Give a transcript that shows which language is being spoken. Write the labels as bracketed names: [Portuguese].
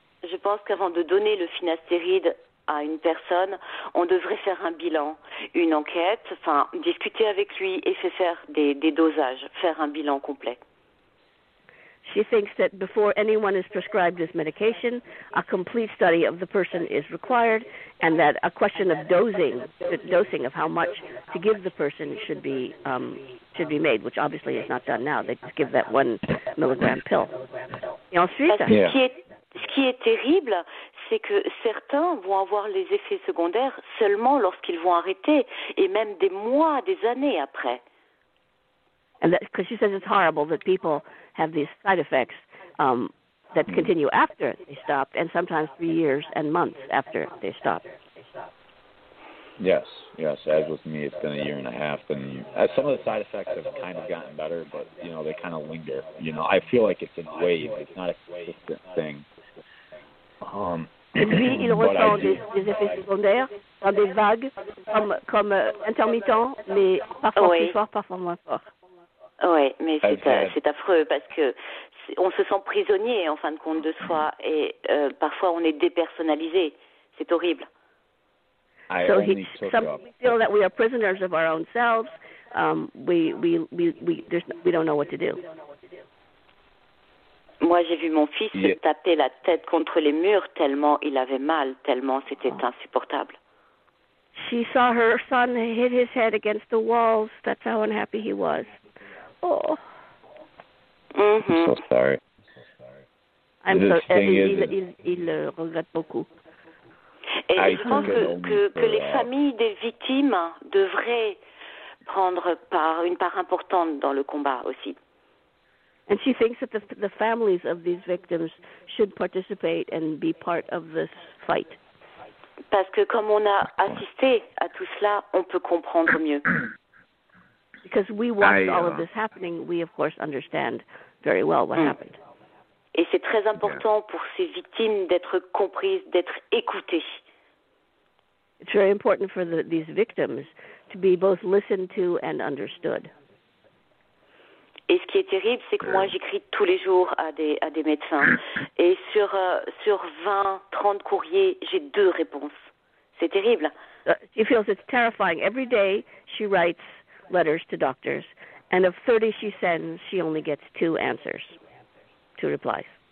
[French] Je pense qu'avant de donner le finastéride à une personne, on devrait faire un bilan, une enquête, enfin, discuter avec lui et faire des dosages, faire un bilan complet. [English] She thinks that before anyone is prescribed this medication, a complete study of the person is required and that a question of dosing of how much to give the person should be made, which obviously is not done now. They just give that 1 milligram pill. [French] Et ensuite, ce qui est terrible, c'est que certains vont avoir les effets secondaires seulement lorsqu'ils vont arrêter, et même des mois, des années après. [English] And that, 'cause she says it's horrible that people have these side effects that continue after they stopped, and sometimes 3 years and months after they stopped. Yes, as with me, it's been a year and a half. And some of the side effects have kind of gotten better, but, you know, they kind of linger. You know, I feel like it's a wave. It's not a consistent thing. [French] Lui, il ressent des effets secondaires dans des vagues, comme intermittents, mais parfois plus fort, parfois moins fort. Oui, mais c'est affreux parce que on se sent prisonnier en fin de compte de soi et parfois on est dépersonnalisé. C'est horrible. [English] We feel that we are prisoners of our own selves. We don't know what to do. [French] Moi, j'ai vu mon fils se taper la tête contre les murs tellement il avait mal, tellement c'était insupportable. [English] She saw her son hit his head against the walls. That's how unhappy he was. Oh. Mm-hmm. I'm so sorry. [French] Il le regrette beaucoup. Et je pense que les familles des victimes devraient prendre une part importante dans le combat aussi. [English] And she thinks that the families of these victims should participate and be part of this fight. [French] Parce que comme on a assisté à tout cela, on peut comprendre mieux. [English] Because we watched all of this happening, we of course understand very well what happened. [French] Et c'est très important pour ces victimes d'être comprises, d'être écoutées. [English] It's very important for these victims to be both listened to and understood. [French] Et ce qui est terrible, c'est que moi, j'écris tous les jours à des médecins. Et sur 20, 30 courriers, j'ai deux réponses. C'est terrible. [English] She feels it's terrifying. Every day, she writes letters to doctors. And of 30 she sends, she only gets two answers, two replies.